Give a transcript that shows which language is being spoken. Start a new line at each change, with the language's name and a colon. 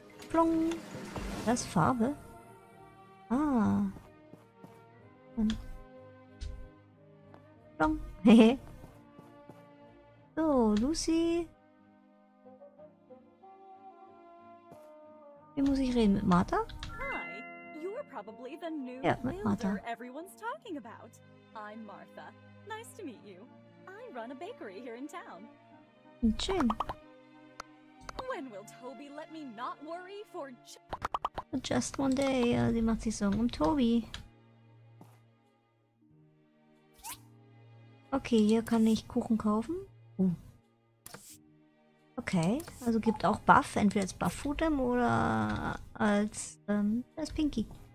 German: Plong. Das ist Farbe. Ah. Und. Plong. Hehe. So, Lucy. Wie muss ich reden? Mit Martha?
English: Hi. You're probably the new
German: ja, mit Martha.
English: Everyone's talking about. I'm Martha. Nice to meet you. I run a bakery here in town.
German: Schön.
English: When will Toby let me not worry for just one day?
German: Sie macht sich Sorgen um Toby. Okay, hier kann ich Kuchen kaufen. Okay, also gibt auch Buff, entweder als Buff Food oder als das Pinky.